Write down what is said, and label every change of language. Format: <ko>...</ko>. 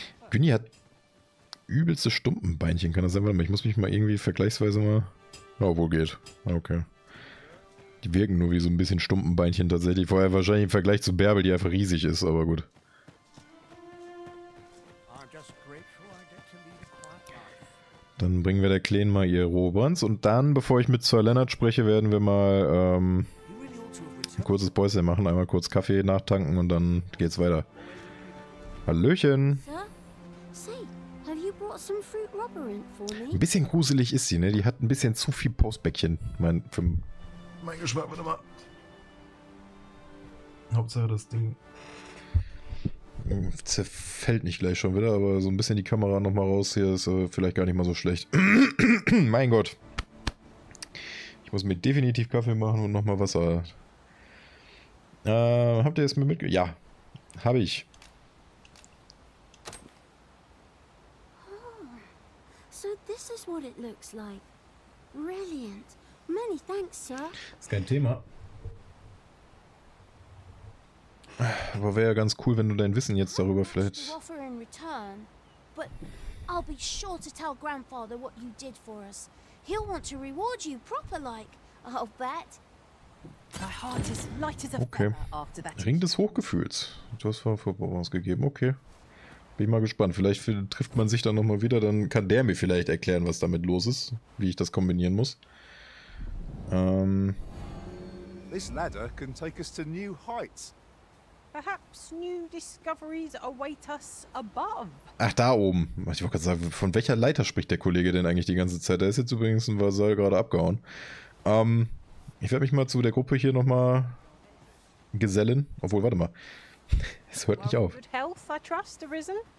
<de>Günni hat übelste Stumpenbeinchen, kann das sein? Warte mal, ich muss mich mal irgendwie vergleichsweise mal... Oh, wo geht? Okay. Die wirken nur wie so ein bisschen Stumpenbeinchen tatsächlich. Vorher wahrscheinlich im Vergleich zu Bärbel, die einfach riesig ist, aber gut.</de> <en>I'm just grateful I get to lead a quiet life.</en> <de>Dann bringen wir der Kleen mal ihr Robrans. Und dann, bevor ich mit Sir Leonard spreche, werden wir mal ein kurzes Päuschen machen. Einmal kurz Kaffee nachtanken und dann geht's weiter. Hallöchen. Ein bisschen gruselig ist sie, ne? Die hat ein bisschen zu viel Postbäckchen. Mein Geschmack, warte mal. Hauptsache das Ding zerfällt nicht gleich schon wieder, aber so ein bisschen die Kamera nochmal raus hier ist vielleicht gar nicht mal so schlecht. Mein Gott. Ich muss mir definitiv Kaffee machen und nochmal Wasser. Habt ihr es mir mitgebracht? Ja, habe ich.</de> <en>Oh, so this is what it looks like. Brilliant. Many thanks, sir.</en> <de>Ist kein Thema. Aber wäre ja ganz cool, wenn du dein Wissen jetzt darüber vielleicht. Okay. Ring des Hochgefühls. Du hast vorher Vorbereitung gegeben. Okay. Bin mal gespannt. Vielleicht trifft man sich dann nochmal wieder. Dann kann der mir vielleicht erklären, was damit los ist. Wie ich das kombinieren muss.</de> <en>This ladder can take us to new heights. Perhaps new discoveries await us above.</en> <de>Ach, da oben. Ich wollte gerade sagen, von welcher Leiter spricht der Kollege denn eigentlich die ganze Zeit? Der ist jetzt übrigens ein Vasall gerade abgehauen. Ich werde mich mal zu der Gruppe hier nochmal gesellen. Obwohl, warte mal. Es hört nicht auf.</de> <en>Good health, I trust, arisen.</en>